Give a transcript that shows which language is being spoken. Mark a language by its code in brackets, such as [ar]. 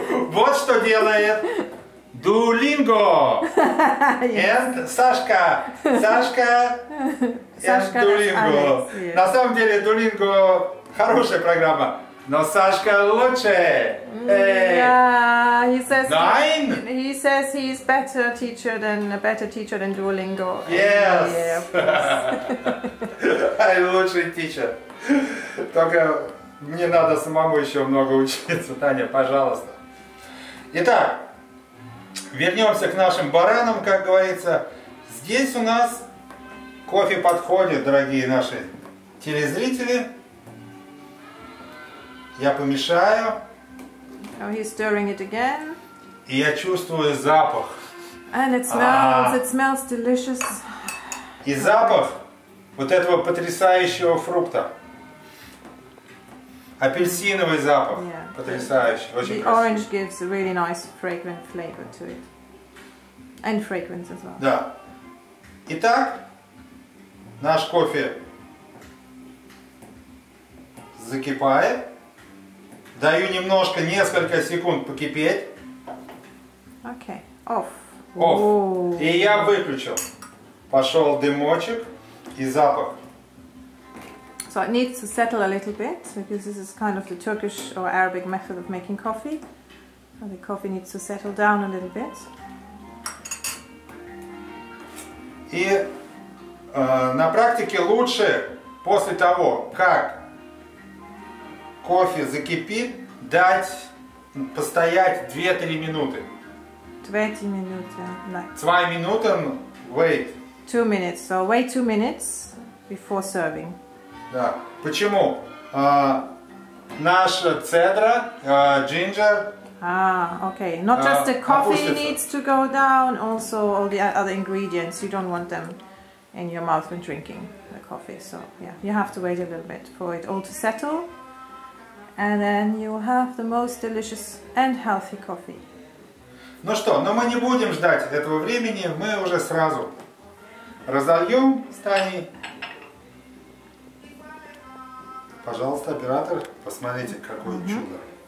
[ru] Вот что делает Duolingo. [en] And Sashka. Sashka and Duolingo. [ru] На самом деле Duolingo хорошая программа. Но Сашка лучше. [en] Yeah, he says. Nine. He says he's better teacher than Duolingo. Yes. I [ru] лучший [en] teacher. [ru] Только мне надо самому еще много учиться, Таня, пожалуйста. Итак, вернемся к нашим баранам, как говорится. Здесь у нас кофе подходит, дорогие наши телезрители. Я помешаю. [en] Oh, he's stirring it again. [ru] И я чувствую запах. [en] And it smells, it smells delicious. [ru] И запах вот этого потрясающего фрукта. Апельсиновый запах. [en] Yeah. [ru] Потрясающий. [en] The, [ru] очень [en] the orange gives a really nice fragrant flavor to it. And fragrance as well. [ru] Да. Итак, наш кофе закипает. Даю немножко, несколько секунд покипеть. [en] Окей, okay. Off. Off. Ooh. [ru] И я выключил. Пошел дымочек и запах. [en] So it needs to settle a little bit, because this is kind of the Turkish or Arabic method of making coffee. So the coffee needs to settle down a little bit. [ru] И на практике лучше после того, как кофе закипит, дать постоять 2-3 минуты. 20 минуты. 2 минуты, [en] wait. 2 minutes, so wait 2 minutes before serving. [ru] Да. Почему? Наша цедра, джинджер. [en] Okay. Not just the coffee [ru] опустится. [en] Needs to go down, also all the other ingredients. You don't want them in your mouth when drinking the coffee. So yeah, you have to wait a little bit for it all to settle. And then you will have the most delicious and healthy coffee. [ru] Ну что, но мы не будем ждать этого времени, мы уже сразу разольем с Таней. Пожалуйста, оператор, посмотрите, какое чудо.